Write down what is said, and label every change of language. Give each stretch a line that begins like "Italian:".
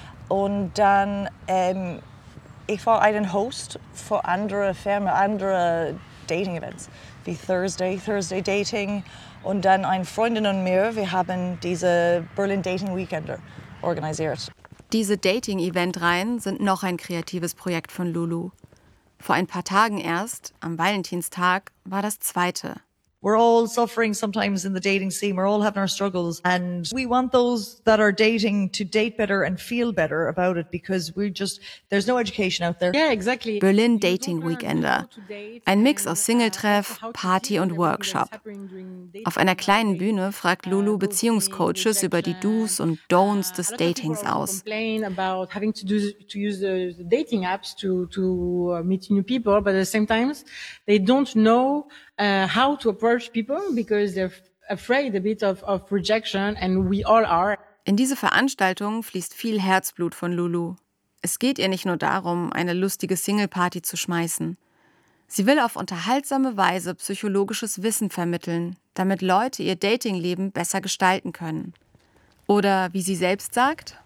German: Und dann, ich war einen Host für andere Firmen, andere Dating-Events, wie Thursday Dating. Und dann eine Freundin und mir, wir haben diese Berlin Dating Weekender organisiert. Diese Dating-Event-Reihen sind noch ein kreatives Projekt von Lulu. Vor ein paar Tagen erst, am Valentinstag, war das zweite.
English: We're all suffering sometimes in the dating scene. We're all having our struggles. And we want those that are dating to date better and feel better about it because we're just, there's no education out there. Yeah, exactly.
German: Berlin Dating Weekender. Ein Mix aus Singletreff, Party und Workshop. Auf einer kleinen Bühne fragt Lulu Beziehungscoaches über die Do's und Don'ts des Datings aus.
English: A lot of people complain about having to use the dating apps to meet new people, but at the same time, they don't know how to approach people because they're afraid a bit of rejection and we all are.
German: In diese Veranstaltung fließt viel Herzblut von Lulu. Es geht ihr nicht nur darum, eine lustige Single-Party zu schmeißen. Sie will auf unterhaltsame Weise psychologisches Wissen vermitteln, damit Leute ihr Dating-Leben besser gestalten können. Oder wie sie selbst sagt,